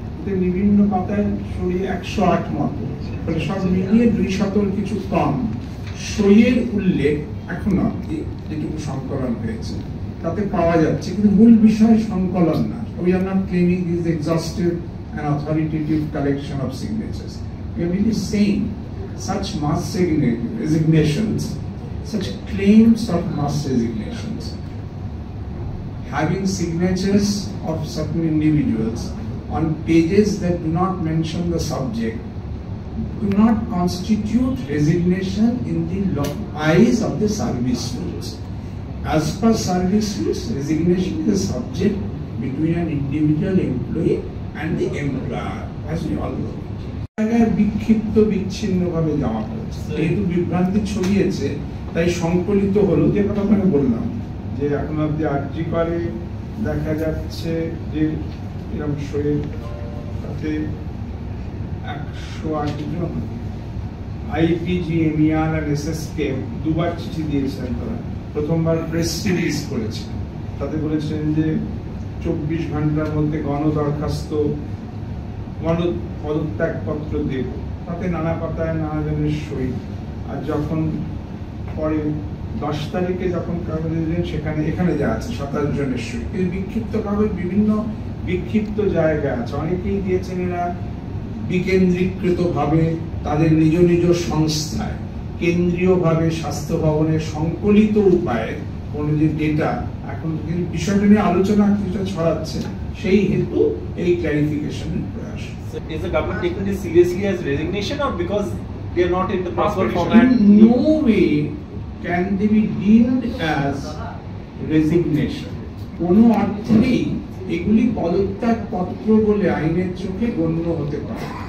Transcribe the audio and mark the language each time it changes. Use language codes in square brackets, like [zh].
[bn] এতে বিভিন্ন পাতায় সই 108 মতো, ফলে সব মিলিয়ে 200-র কিছু কম সইয়ের উল্লেখ এখনো অব্দি যেটুকু সংকলন হয়েছে তাতে পাওয়া যাচ্ছে, কিন্তু মূল বিষয় সংকলন না। [en] We are not claiming is exhaustive and authoritative collection of signatures. We are really saying such mass resignations, such claims of mass resignations, having signatures of certain individuals on pages that do not mention the subject, do not constitute resignation in the eyes of the service rules. As per service rules, resignation is a subject between an individual employee and the employer, as we all know. [bn] বিক্ষিপ্ত বিচ্ছিন্ন ভাবে জমা পড়েছে, যেহেতু বিভ্রান্তি ছড়িয়েছে তাই সংকলিত হলো। যে কথা আমি বললাম যে এখন অব্দি আর্জি করে দেখা যাচ্ছে যে এরকম শরীর তাতে 108 জন IPGMER আর SSK দুবার চিঠি দিয়েছেন, তারা প্রথমবার প্রেস রিলিজ করেছে, তাতে বলেছেন যে 24 ঘন্টার মধ্যে গণ দরখাস্ত পদত্যাগপত্র দেব, তাতে নানা পাতায় নানা জনের সই। আর যখন পরে 10 তারিখে যখন কাগজে দিলেন সেখানে এখানে যা আছে 27 জনের সই। এই বিক্ষিপ্তভাবে বিভিন্ন বিক্ষিপ্ত জায়গা আছে, অনেকেই দিয়েছেন এরা বিকেন্দ্রীকৃতভাবে তাদের নিজ নিজ সংস্থায় কেন্দ্রীয়ভাবে স্বাস্থ্য ভবনে সংকলিত উপায়ে কোনো যে ডেটা এখন বিষয়টা নিয়ে আলোচনা কিছুটা ছড়াচ্ছে, সেই হেতু এই ক্লারিফিকেশনের প্রয়াস। [en] Is the government taking this seriously as resignation or because they are not in the proper format? No way can they be deemed as resignation. [bn] কোনো অর্থেই এগুলি পদত্যাগ পত্র বলে আইনের চোখে গণ্য হতে পারে।